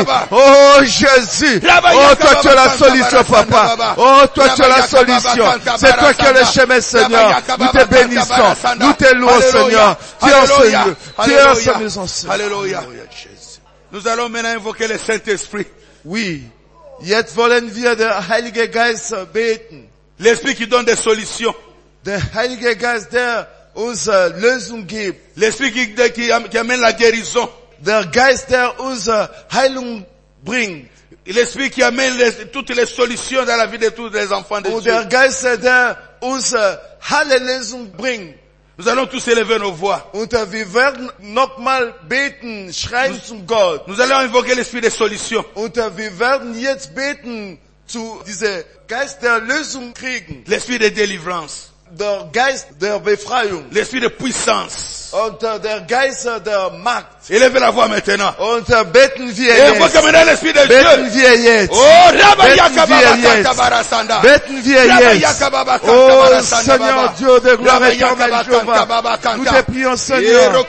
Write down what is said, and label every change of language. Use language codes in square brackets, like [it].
[fr] Oh Jésus, oh toi tu es la solution papa, oh toi tu es la solution, c'est toi qui es le chemin Seigneur, nous te bénissons, nous te louons Seigneur, tu es en ce lieu. Alléluia, nous allons maintenant invoquer le Saint-Esprit. [de] Oui, jetzt wollen wir den Heilige Geist beten. [fr] L'Esprit qui donne des solutions. [de] Der Heilige Geist der uns Lösung gibt. [fr] L'Esprit qui amène la guérison. [de] Der Geist, der uns Heilung bringt. [fr] L'Esprit qui amène toutes les solutions dans la vie de tous les enfants de Dieu. [de] Der Geist, der uns alle Lösung bringt. [fr] Nous allons tous élever nos voix. [de] Und wir werden nochmal beten, schreien zum Gott. [fr] Nous allons invoquer l'Esprit des solutions. [de] Und wir werden jetzt beten zu diesem Geist der Lösung kriegen. [fr] L'Esprit de délivrance. [de] Der Geist der Befreiung. [fr] L'Esprit de puissance. [de] Und der Geist der Macht. [fr] Élevez la voix maintenant. [de] Und beten wir jetzt. [fr] Et vous commandez l'Esprit de Dieu. [de] Beten wir jetzt. Oh, Rabayakababakababarasanda. Beten wir jetzt. [fr] Oh, Seigneur Dieu de gloire et de Jéhovah. Nous te prions, Seigneur.